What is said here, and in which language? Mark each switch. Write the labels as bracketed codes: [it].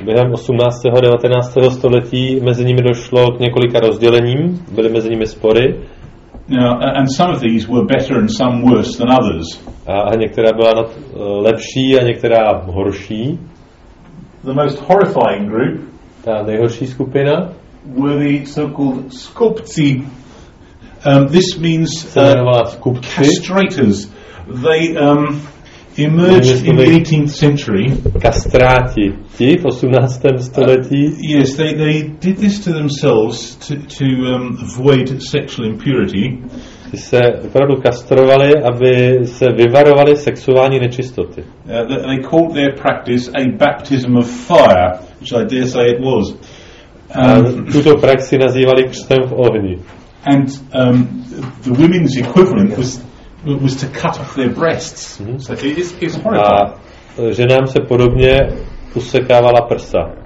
[cs] Během 18. a 19. století mezi nimi došlo k několika rozdělením. Byly mezi nimi spory. [en] And some of these were better and some worse than others. [cs] A některá byla lepší a některá horší. [en] The most horrifying group. [cs] Ta nejhorší skupina. [en] Were the so-called skupci. This means castrators. They emerged in the 18th century. [cs] Kastráti. Ti v 18. století. [en] Yes, they did this to themselves to avoid sexual impurity. [cs] Ti se opravdu kastrovali, aby se vyvarovali sexuální nečistoty. [en] They called their practice a baptism of fire, which I dare say it was. [cs] Tuto praxi nazývali křtem v ohni. [en] And the women's equivalent was to cut off their breasts. Mm-hmm. So it's horrible. [cs] A ženám se podobně usekávala prsa.